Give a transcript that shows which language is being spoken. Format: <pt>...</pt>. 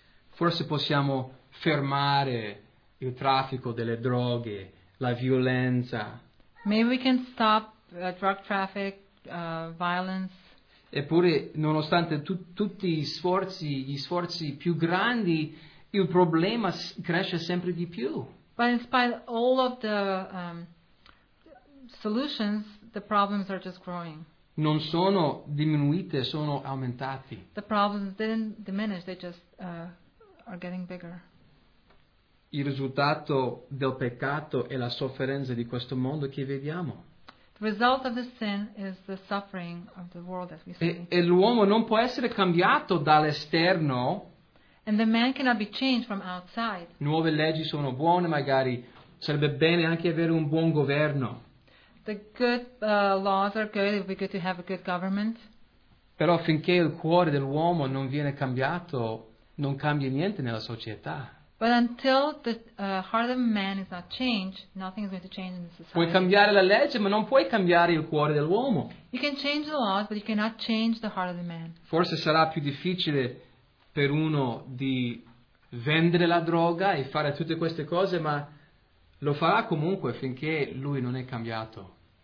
<it>Forse possiamo fermare il traffico delle droghe, la violenza.</it> <en>Maybe we can stop drug traffic, violence.</en> <it>Eppure, nonostante tutti gli sforzi più grandi, il problema cresce sempre di più.</it> <en>But in spite of all of the solutions, the problems are just growing.</en> <it>Non sono diminuite, sono aumentati.</it> <en>The problems didn't diminish, they just are getting bigger.</en> <it>Il risultato del peccato è la sofferenza di questo mondo che vediamo.</it> <en>The result of the sin is the suffering of the world that we see.</en> <it>E l'uomo non può essere cambiato dall'esterno.</it> <en>And the man cannot be changed from outside.</en> <it>Nuove leggi sono buone, magari sarebbe bene anche avere un buon governo.</it> <en>The good laws are good, it would be good to have a good government.</en> <it>Però finché il cuore dell'uomo non viene cambiato, non cambia niente nella società.</it> <en>But until the heart of man is not changed, nothing is going to change in the society.</en> <it>Puoi cambiare la legge, ma non puoi cambiare il cuore dell'uomo.</it> <en>You can change the laws, but you cannot change the heart of the man.</en> <it>Forse sarà più difficile per uno di vendere la droga e fare tutte queste cose, ma lo farà comunque finché lui non è cambiato.</it>